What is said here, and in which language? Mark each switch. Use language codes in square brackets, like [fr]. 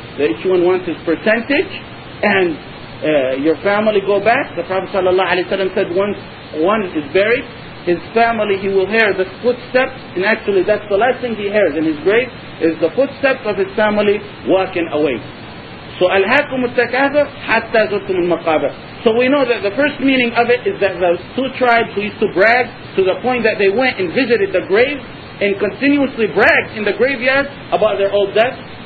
[en] The each one wants his percentage, and your family go back. The Prophet ﷺ said, once one is buried, his family, he will hear the footsteps, and actually that's the last thing he hears in his grave, is the footsteps of his family walking away. [ar] So, أَلْهَاكُمُ التَّكَاثُرْ حَتَّى زُرْتُمُ الْمَقَابِرْ. [en] So we know that the first meaning of it is that those two tribes who used to brag to the point that they went and visited the grave and continuously bragged in the graveyard about their old death.